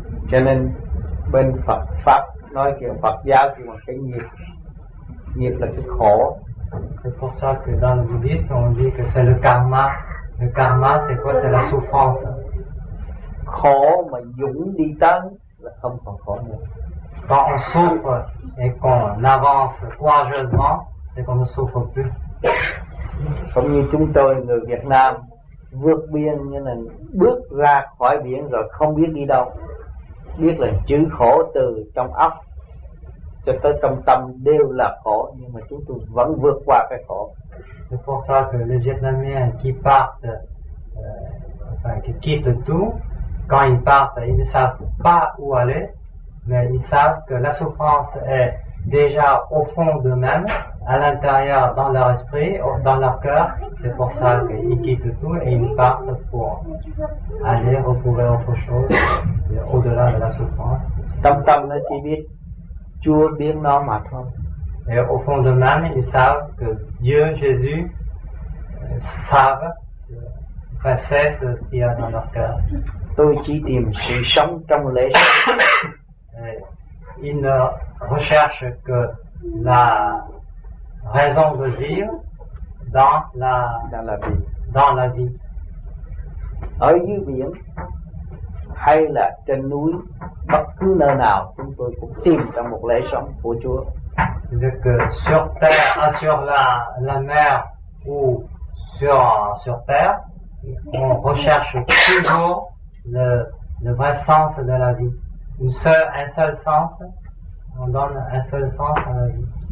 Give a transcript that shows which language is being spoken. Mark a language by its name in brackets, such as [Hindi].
[Vietnamese] Cho nên bên Phật nói kiểu Phật giáo thì một cái nghiệp là cái khổ. [French] C'est pour ça que dans le bouddhisme on dit que c'est le karma. Le karma c'est quoi? C'est la souffrance. [Vietnamese] Khổ mà dũng đi tới là không còn khổ nữa. [French] Quand on souffre et qu'on avance courageusement, c'est qu'on ne souffre plus. Comme nous, Việt Nam, [Vietnamese] vượt biên, như là bước ra khỏi biển rồi không biết đi đâu, biết là chữ khổ từ trong óc cho tới trong tâm đều là khổ, nhưng mà chúng tôi vẫn vượt qua cái khổ. [French] C'est pour ça que les Vietnamiens qui partent, enfin qui quittent tout, quand ils partent, ils ne savent pas où aller, mais ils savent que la souffrance est déjà au fond d'eux-mêmes, à l'intérieur, dans leur esprit, dans leur cœur. C'est pour ça qu'ils quittent tout et ils partent pour aller retrouver autre chose au-delà de la souffrance. [Vietnamese] Tâm tâm là chỉ biết Chúa biết nó mà thôi. [French] Et au fond de même, ils savent que Dieu, Jésus, savent, enfin, sait ce qu'il y a dans leur cœur. [Vietnamese] Tôi chỉ tìm sự sống trong lễ. [French] Ils ne recherchent que la raison de vivre dans la, dans la vie. Dans la vie. [Vietnamese] Ở dưới biển hay là trên núi, bất cứ nơi nào chúng tôi cũng tìm trong một lễ sống của Chúa. [French] C'est-à-dire que sur terre, sur la, la mer ou sur terre, on recherche toujours le vrai sens de la vie. Un seul sens, on donne un seul sens à la vie.